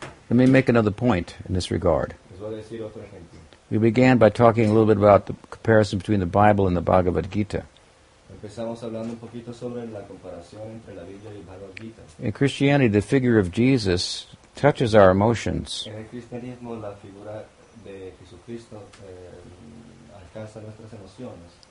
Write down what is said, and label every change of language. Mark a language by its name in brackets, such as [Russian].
[English] Let me make another point in this regard. [Spanish] Les voy a decir otro ejemplo. [English] We began by talking a little bit about the comparison between the Bible and the Bhagavad Gita. [Spanish] Empezamos hablando un poquito sobre la comparación entre la Biblia y el Bhagavad Gita. [English] In Christianity, the figure of Jesus touches our emotions. [Spanish] En el cristianismo, la figura de Jesucristo alcanza nuestras emociones.